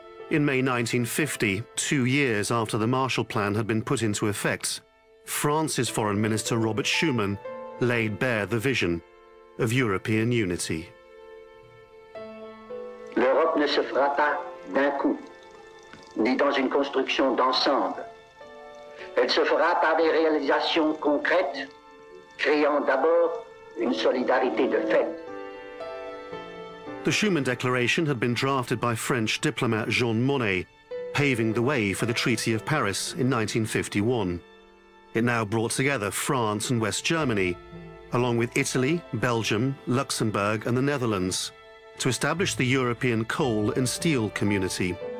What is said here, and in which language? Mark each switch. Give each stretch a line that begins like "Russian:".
English: In May 1950, 2 years after the Marshall Plan had been put into effect, France's Foreign Minister Robert Schuman laid bare the vision of European unity.
French: L'Europe ne se fera pas d'un coup, ni dans une construction d'ensemble. Elle se fera par des réalisations concrètes, créant d'abord une solidarité de fait.
English: The Schuman Declaration had been drafted by French diplomat Jean Monnet, paving the way for the Treaty of Paris in 1951. It now brought together France and West Germany, along with Italy, Belgium, Luxembourg, and the Netherlands, to establish the European Coal and Steel Community.